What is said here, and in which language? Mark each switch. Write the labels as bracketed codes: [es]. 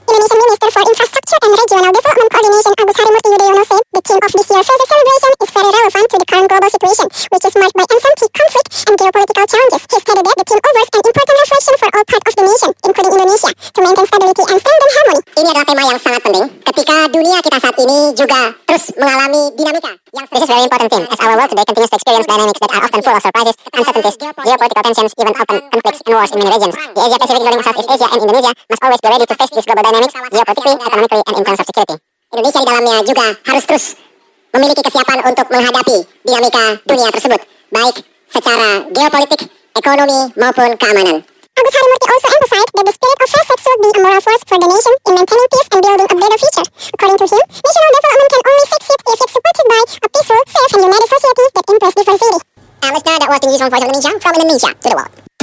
[en] Indonesian Minister for Infrastructure and Regional Development Coordination Agus Harimurti Yudhoyono said, the theme of this year's Hazar celebration is very relevant to the current global situation, which is marked by uncertainty, conflict, and geopolitical challenges. He stated that the theme offers an important reflection for all parts of the nation, including Indonesia, to maintain stability and strengthen harmony. [id] Ini adalah tema yang sangat penting ketika dunia kita saat ini juga terus mengalami dinamika. [en] This is a very important theme, as our world today continues to experience dynamics that are often full of surprises, uncertainties, geopolitical tensions, even open conflicts and wars in many regions. The Asia-Pacific, including Southeast Asia and Indonesia, must always be ready to face these global dynamics, geopolitically, economically, and in terms of security. [id] Indonesia di dalamnya juga harus terus memiliki kesiapan untuk menghadapi dinamika dunia tersebut, baik secara geopolitik, ekonomi, maupun keamanan. [en] Agus Harimurti also emphasized that the spirit of Hazar should be a moral force for the nation in maintaining peace and building a better future. According to him, national development can only succeed if it's supported by a peaceful, safe, and united society that embraces diversity. And listener, that was the news from Voice of Indonesia, from Indonesia to the world.